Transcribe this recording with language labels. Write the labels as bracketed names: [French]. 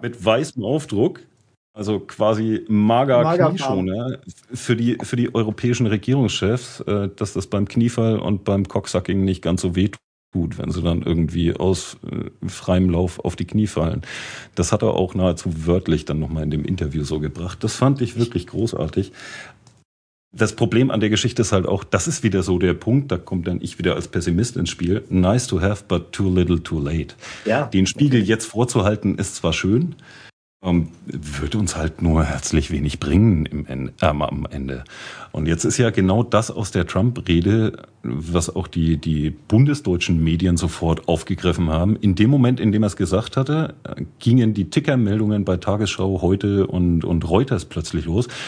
[German] Mit weißem Aufdruck, also quasi Mager-Knieschoner für die europäischen Regierungschefs, dass das beim Kniefall und beim Cocksucking nicht ganz so wehtut, wenn sie dann irgendwie aus freiem Lauf auf die Knie fallen. Das hat er auch nahezu wörtlich dann nochmal in dem Interview so gebracht. Das fand ich wirklich großartig. Das Problem an der Geschichte ist halt auch, das ist wieder so der Punkt, da kommt dann ich wieder als Pessimist ins Spiel. [English] Nice to have, but too little too late. [German] Ja. Den Spiegel jetzt vorzuhalten, ist zwar schön, Würde uns halt nur herzlich wenig bringen am Ende. Und jetzt ist ja genau das aus der Trump-Rede, was auch die bundesdeutschen Medien sofort aufgegriffen haben. In dem Moment, in dem er es gesagt hatte, gingen die Tickermeldungen bei Tagesschau, Heute und Reuters plötzlich los.